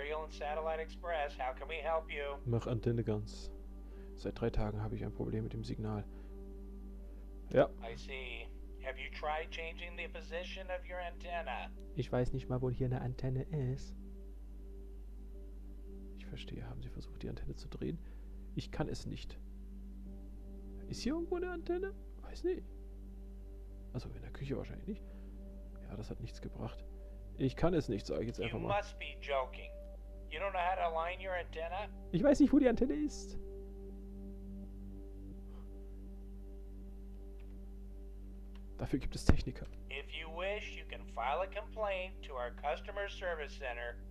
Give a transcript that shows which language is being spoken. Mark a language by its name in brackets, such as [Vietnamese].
[English] Satellite Express, how can we help you? [German] Mach Antenne ganz. Seit 3 Tagen habe ich ein Problem mit dem Signal. Ja. [English] I see. Have you tried changing the position of your antenna? [German] Ich weiß nicht mal, wo hier eine Antenne ist. Ich verstehe, haben Sie versucht, die Antenne zu drehen? Ich kann es nicht. Ist hier irgendwo eine Antenne? Weiß nicht. Also in der Küche wahrscheinlich nicht. Ja, das hat nichts gebracht. Ich kann es nicht, sage ich jetzt einfach mal. [English] You must be joking. You don't know how to align your antenna? [German] Ich weiß nicht, wo die Antenne ist. Dafür gibt es Techniker. [English] If you wish, you can file a complaint to our customer service center.